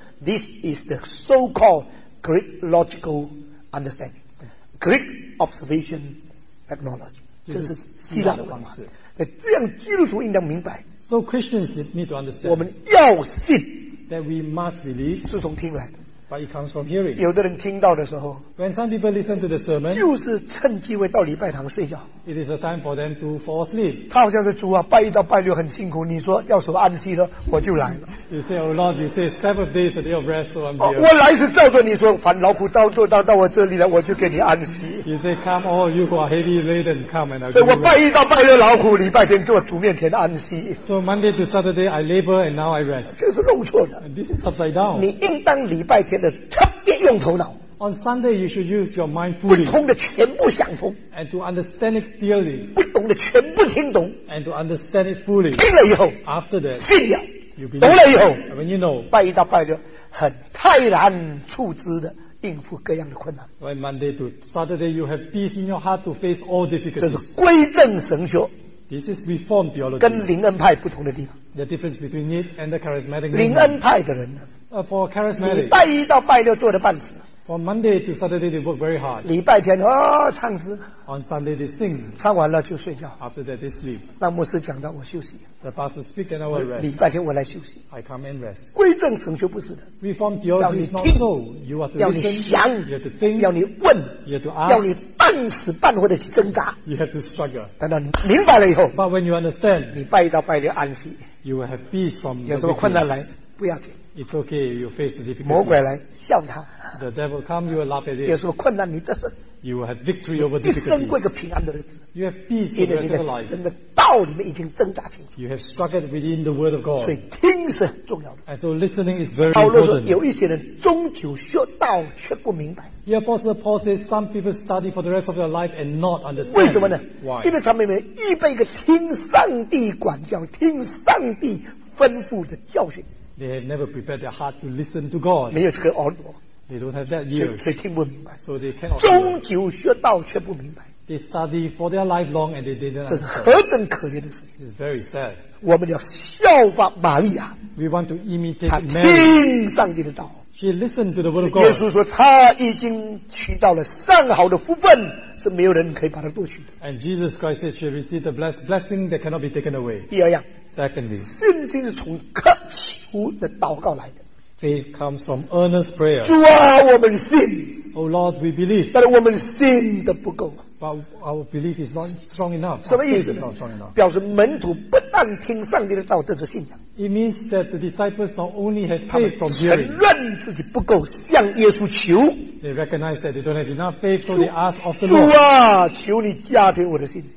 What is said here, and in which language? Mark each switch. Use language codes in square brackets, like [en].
[en] This is the so-called Greek logical understanding. Greek observation technology. [zh] 这是希腊的方式。这样基督徒应当明白。 [en] So Christians need to understand. [zh] 我们要信。 [en] That we must believe. [zh] 是从听来的。 [en] But it comes from hearing. [zh] 有的人听到的时候 [en] ，When some people listen to the sermon， [zh] 就是趁机会到礼拜堂睡觉。 [en] It is a time for them to fall asleep. [zh] 他好像是主啊，拜一到拜六很辛苦，你说要什么安息呢？我就来了。 [en] You say, Oh Lord, you say Sabbath day is a day of rest, so I'm here.、 [zh] 我来是照着你说，凡劳苦当做到我这里来，我就给你安息。 [en] You say, Come all you who are heavy laden, come and I'll. [zh] 所以我拜一到拜六劳苦，礼拜天坐主面前安息。 [en] So Monday to Saturday I labor and now I rest. [zh] 这是弄错的。 [en] And this is upside down. [zh] 你应当礼拜天。特别用头脑。 [en] On Sunday, you should use your mind fully. [zh] 不通的全部想通。 [en] And to understand it clearly. [zh] 不懂的全部听懂。 [en] And to understand it fully. [zh] 听了以后。 [en] After that. [zh] 信了。 [en] You believe. [zh] 懂了以后。 [en] When you know. [zh] 拜一到拜六，很泰然处之的应付各样的困难。 [en] When Monday to Saturday, you have peace in your heart to face all difficulties. [zh] 这是归正神学。 [en] This is Reformed theology. [zh] 跟灵恩派不同的地方。 [en] The difference between it and the charismatic. [zh] 灵恩派的人呢？ [en] For charismatic, [zh] 礼拜一到拜六做的半死。 [en] From Monday to Saturday, they work very hard. [zh] 礼拜天哦，唱诗。 [en] On Sunday, they sing. [zh] 唱完了就睡觉。 [en] After that, they sleep. [zh] 让牧师讲到我休息。 [en] The pastor speak and I will rest. [zh] 礼拜天我来休息。 [en] I come and rest. [zh] 归正神学不是的。 [en] Reformed theology is not so. You are to listen. [zh] 要你想。 [en] You have to think. [zh] 要你问。 [en] You have to ask. [zh] 要你半死半活的去挣扎。 [en] You have to struggle. [zh] 等到你明白了以后。 [en] But when you understand, [zh] 礼拜一到拜六安息。 [en] You will have peace from the [zh] weakness. 有什么困难来，不要紧。 [en] It's okay. You face the difficulty. [zh] 魔鬼来笑他。 [en] The devil come, you will laugh at it. [zh] 有什么困难，你这是 [en] You will have victory over difficulties. You have peace in the rest of your life. You have struggled within the word of God. And so listening is very important. The Apostle Paul says some people study for the rest of their life and not understand. Why? They have never prepared their heart to listen to God. They don't have that ears. So they cannot hear. They study for their life long and they didn't understand. This is very sad. We want to imitate Mary. She listened to the word of God. [zh] 耶稣说, 她已经取到了上好的福分, [en] and Jesus Christ said she received a blessing that cannot be taken away. [zh] 第二样, [en] secondly, [zh] 信心是从渴求的祷告来的。 [en] Faith comes from earnest prayer. [zh] 主啊, 我们信, [en] O Lord, we believe. [zh] But 我们信得不够。 [en] But our belief is not strong enough. [zh] 什么意思呢? [en] It means that the disciples not only have faith from hearing, they recognize that they don't have enough faith, so they ask of the Lord.